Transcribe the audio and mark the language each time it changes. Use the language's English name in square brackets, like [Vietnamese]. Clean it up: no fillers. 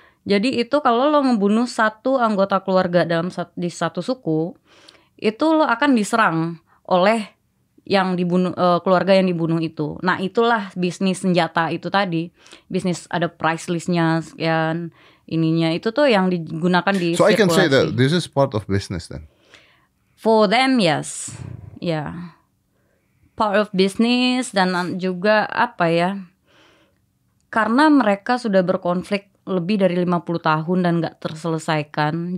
[Indonesian] Jadi itu kalau lo ngebunuh satu anggota keluarga dalam di satu suku, itu lo akan diserang oleh yang dibunuh, keluarga yang dibunuh itu. Nah, itulah bisnis senjata itu tadi. Bisnis ada price list-nya sekian ininya. Itu tuh yang digunakan di [English] sirkulasi. So I can say that this is part of business then. For them, yes. Yeah. Part of business [Indonesian] dan juga apa ya? Karena mereka sudah berkonflik lebih dari 50 tahun dan gak terselesaikan.